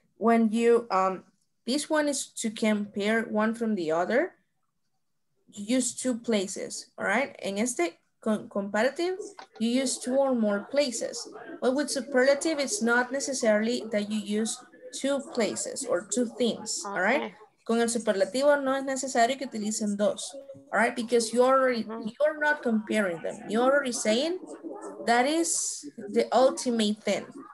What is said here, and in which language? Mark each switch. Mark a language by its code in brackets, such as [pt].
[en] When you this one is to compare one from the other. You use two places. All right. [es] En este [en] comparative, you use two or more places. But with superlative, it's not necessarily that you use two places or two things. Okay. All right. [es] Con el superlativo no es necesario que utilicen dos. [en] All right, because you're not comparing them. You're already saying that is the ultimate thing.